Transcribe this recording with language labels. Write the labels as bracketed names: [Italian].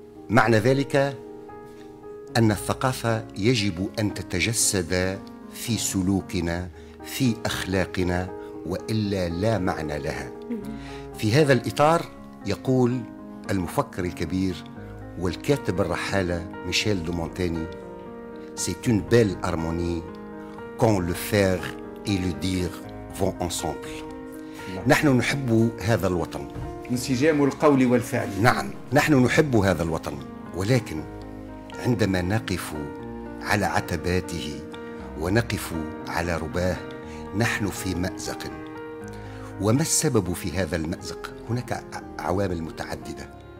[Arabic] معنى ذلك أن الثقافة يجب أن تتجسد في سلوكنا، في أخلاقنا، وإلا لا معنى لها. في هذا الإطار يقول: المفكر الكبير والكاتب الرحالة ميشيل دو مونتاني. [French] C'est une belle harmonie quand le faire et le dire vont ensemble. [Arabic] نحن نحب هذا الوطن. انسجام القول والفعل. نعم، نحن نحب هذا الوطن، ولكن عندما نقف على عتباته ونقف على رباه نحن في مأزق. وما السبب في هذا المأزق؟ هناك عوامل متعددة.